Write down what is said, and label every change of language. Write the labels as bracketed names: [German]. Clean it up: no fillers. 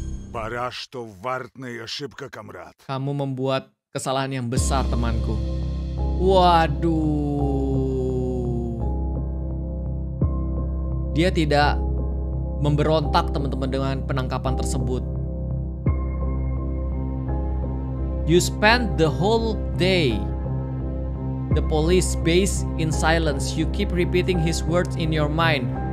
[Indonesian] Пара что вартная ошибка, камрад. Kamu membuat kesalahan yang besar, temanku. Waduh. Dia tidak memberontak, teman-teman, dengan penangkapan tersebut. [English] You spend the whole day the police base in silence. You keep repeating his words in your mind.